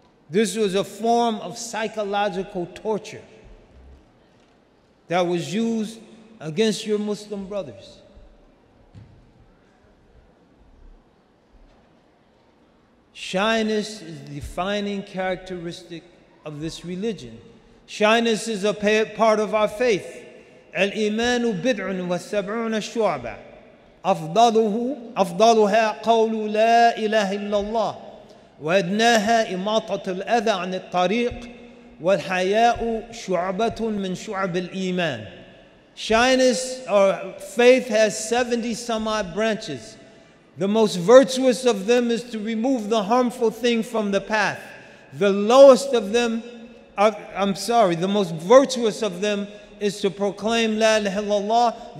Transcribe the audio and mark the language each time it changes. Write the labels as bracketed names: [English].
[English] This was a form of psychological torture that was used against your Muslim brothers. Shyness is the defining characteristic of this religion. Shyness is a part of our faith. [Arabic] الإيمان بضع والسبعون شعبة أفضله أفضلها قول لا إله إلا الله وأدناها إماطة الأذى عن الطريق والحياء شعبة من شعب الإيمان. [English] Shyness or faith has 70 some odd branches. The most virtuous of them is to remove the harmful thing from the path. The lowest of them, the most virtuous of them is to proclaim La ilaha illallah.